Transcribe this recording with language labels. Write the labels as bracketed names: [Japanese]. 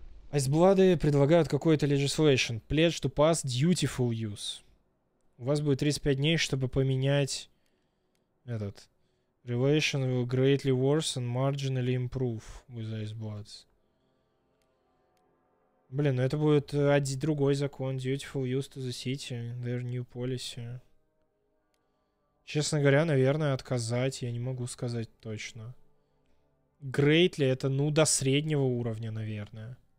[Russian] Айсблады предлагают какой-то [English] legislation. Pledge to pass dutiful use. [Russian] У вас будет 35 дней, чтобы поменять этот. [English] Relation will greatly worsen, marginally improve with Iceblades. [Russian] Блин, ну это будет другой закон. [English] Dutiful use to the city, their new policy. [Russian] Честно говоря, наверное, отказать. Я не могу сказать точно. [English] Greatly [Russian] это, ну, до среднего уровня, наверное.